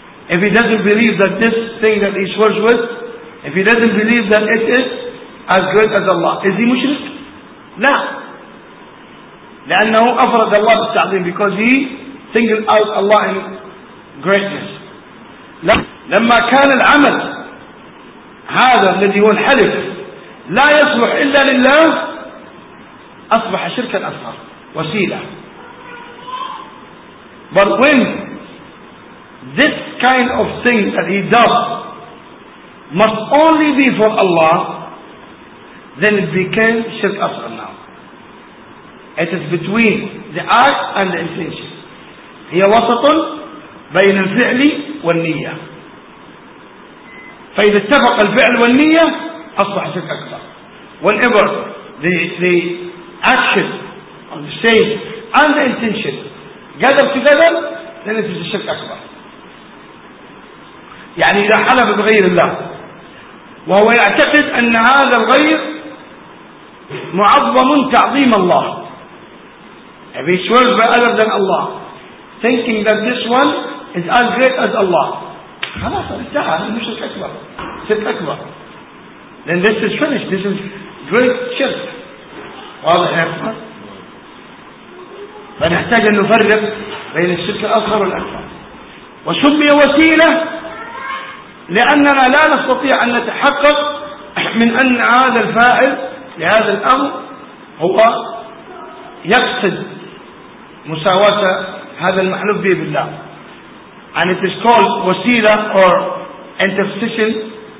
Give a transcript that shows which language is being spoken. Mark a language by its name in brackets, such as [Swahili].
[English] If he doesn't believe that this thing that he swears with, if he doesn't believe that it is as great as Allah, is he مشرك? [Arabic] لا. لأنه أفرد الله بالتعظيم [English] because he singled out Allah in greatness. [Arabic] لا. لما كان العمل هذا الذي هو الحلف لا يصلح إلا لله أصبح شركا أصغر وسيلة. [English] But when this kind of thing that he does must only be for Allah, then it became shirk asghar now. It is between the act and the intention. [Arabic] هي وسط بين الفعل والنية. فإذا اتفق الفعل والنية أصبح شرك أكبر. [English] Whenever the action on the stage and the intention gather together, then it is a shirk akbar. [Arabic] يعني إذا حلف بغير الله وهو يعتقد أن هذا الغير معظم تعظيم الله. [English] If he swears by other than Allah, thinking that this one is as great as Allah, [Arabic] خلاص انتهى, شرك أكبر. [English] شرك أكبر. Then this is finished. This is great shirk. [Arabic] واضح يا إخوان؟ فنحتاج أن نفرق بين الشرك الأصغر والأكبر. وسمي وسيلة لأننا لا نستطيع أن نتحقق من أن هذا الفاعل لهذا الأمر هو يقصد مساواة هذا المحلوف به بالله. [English] And it is called وسيلة or interstition